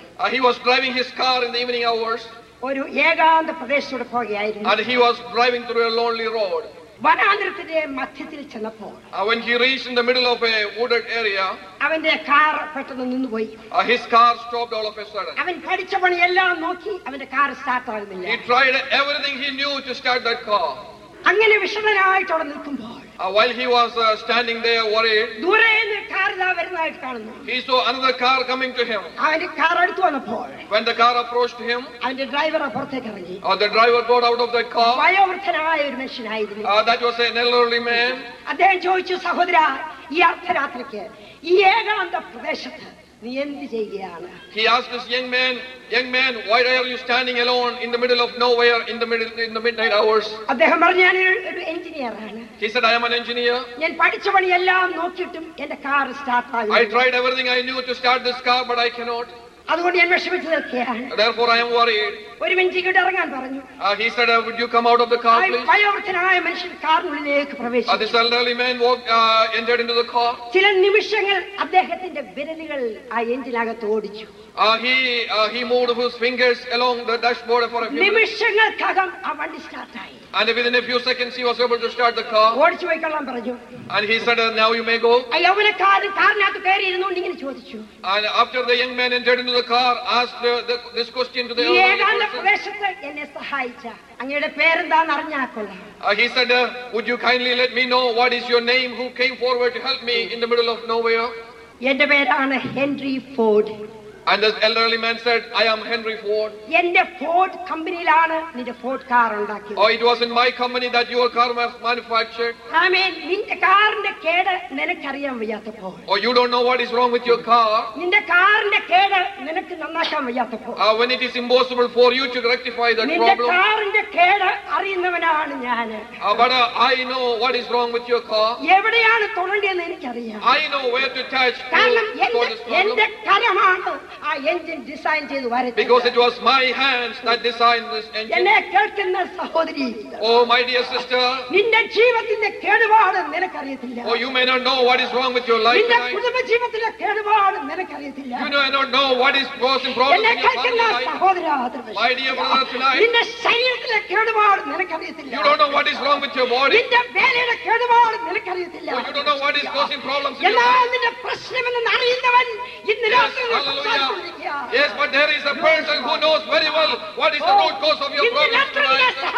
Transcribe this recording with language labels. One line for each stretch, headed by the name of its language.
English: He was driving his car in the evening hours.
Malayalam: ഒരു ഏകാന്ത പ്രദേശത്തോടെ പോവുകയായിരുന്നു.
English: And he was driving through a lonely road.
Malayalam: വനാന്തരത്തിന്റെ മധ്യത്തിൽ ചെന്നപ്പോൾ
English: when he reached in the middle of a wooded area,
Malayalam: അവന്റെ car പെട്ടെന്ന് നിന്നുപോയി.
English: His car stopped all of a sudden.
Malayalam: അവൻ പഠിച്ച പണിയെല്ലാം നോക്കി അവന്റെ കാർ സ്റ്റാർട്ട് ആകുന്നില്ല.
English: He tried everything he knew to start that car.
Malayalam: അങ്ങനെ വിഷമനായിട്ട് അവിടെ നിൽക്കുമ്പോൾ
English: while he was standing there worried,
Malayalam: ദൂരെന്ന് car ദാ വരുന്നതായിട്ട് കാണുന്നു.
English: He saw another car coming to him.
Malayalam: അവന്റെ കാർ അടുത്ത് വന്നപ്പോൾ,
English: when the car approached him,
Malayalam: അവന്റെ ഡ്രൈവർ അപ്പുറത്തേക്ക് ഇറങ്ങി.
English: The driver got out of the car.
Malayalam: വയോവൃദ്ധനായ ഒരു മനുഷ്യനായിരുന്നു.
English: That was an elderly man.
Malayalam: അദ്ദേഹം ചോദിച്ചു, സഹോദര, ഈ അർദ്ധരാത്രിക്ക് ഈ ഏകാന്ത പ്രദേശത്ത് നീ എന്ത് ചെയ്യുകയാണ്?
English: He asked this young man, why are you standing alone in the middle of nowhere in the midnight hours?
Malayalam: അദ്ദേഹം പറഞ്ഞു, ഞാൻ ഒരു എഞ്ചിനീയറാണ്.
English: He said, I am an engineer.
Malayalam: ഞാൻ പഠിച്ച പണിയെല്ലാം നോക്കിയിട്ടും എന്റെ കാർ സ്റ്റാർട്ട് ആയില്ല.
English: I tried everything I knew to start this car, but I cannot.
Malayalam: അതുകൊണ്ട് ഞാൻ വിഷമിച്ചു നിൽക്കുകയാണ്.
English: Therefore I am worried.
Malayalam: ഒരു മനുഷ്യനോട് ഇറങ്ങാൻ പറഞ്ഞു.
English: He said, would you come out of the car, please?
Malayalam: വയോവൃദ്ധനായ മനുഷ്യൻ കാറിനുള്ളിലേക്ക് പ്രവേശിച്ചു.
English: This elderly man entered into the car.
Malayalam: ചില നിമിഷങ്ങൾ അദ്ദേഹത്തിന്റെ വിരലുകൾ ആ എഞ്ചിനകത്ത് ഓടിച്ചു.
English: He moved his fingers along the dashboard for a few
Malayalam: നിമിഷങ്ങൾക്കകം ആ വണ്ടി സ്റ്റാർട്ട് ആയി.
English: And within a few seconds he was able to start the car.
Malayalam: ഓടിച്ചു പോയിക്കൊള്ളാൻ പറഞ്ഞു.
English: And he said, now you may go.
Malayalam: അയവനെ കാറിനകത്ത് കയറിയിരുന്നുകൊണ്ട് ഇങ്ങനെ ചോദിച്ചു.
English: And after the young man entered into the car, asked this question to the elderly person.
Malayalam: പ്രദേശത്ത് എന്നെ സഹായിച്ച അങ്ങയുടെ പേരെന്താന്ന് അറിഞ്ഞാൽ കൊള്ളാം.
English: He said, would you kindly let me know what is your name, who came forward to help me in the middle of nowhere?
Malayalam: എന്റെ പേരാണ് Henry Ford.
English: And this elderly man said, I am Henry Ford.
Malayalam: എന്റെ Ford കമ്പനിയിലാണ് നിന്റെ Ford car ഉണ്ടാക്കിയത്.
English: Oh, it was in my company that your car was manufactured.
Malayalam: ആമേൻ. നിന്റെ കാറിന്റെ കേട് നിനക്കറിയാൻ വയ്യാത്തപ്പോൾ.
English: Oh, you don't know what is wrong with your car.
Malayalam: നിന്റെ കാറിന്റെ കേട് നിനക്ക് നന്നാക്കാൻ വയ്യാത്തപ്പോൾ.
English: Oh, when it is impossible for you to rectify that
Malayalam: problem. നിന്റെ കാറിന്റെ കേട് അറിയുന്നവനാണ് ഞാൻ.
English: Oh, but I know what is wrong with your car.
Malayalam: എവിടെയാണ് തൊടണ്ടതെന്ന് എനിക്കറിയാം.
English: I know where to touch.
Malayalam: എന്റെ കരമാണ് ആ എഞ്ചിൻ ഡിസൈൻ ചെയ്ത് വരച്ചത്.
English: Because it was my hands that designed this engine.
Malayalam: എന്നെ കേൾക്കുന്ന സഹോദരി,
English: oh my dear sister,
Malayalam: നിന്റെ ജീവിതത്തിന്റെ കേടുപാട് നിനക്കറിയില്ല.
English: Oh, you may not know what is wrong with your life.
Malayalam: നിന്റെ കുടുംബജീവിതത്തിലെ കേടുപാട് നിനക്കറിയില്ല.
English: You know, I don't know what is causing problems.
Malayalam: എന്നെ കേൾക്കുന്ന സഹോദര,
English: my dear brother, tonight,
Malayalam: നിന്റെ ശരീരത്തിലെ കേടുപാട് നിനക്കറിയില്ല.
English: You don't know what is wrong with your body.
Malayalam: നിന്റെ വേലയുടെ കേടുപാട് നിനക്കറിയില്ല.
English: Oh, you don't know what is causing problems.
Malayalam: എന്നാലിന്റെ പ്രശ്നമെന്ന് അറിയുന്നവൻ ഇന്ന് രാത്രി
English: Yes, but there is a person who knows very well what is the root cause of your problem tonight.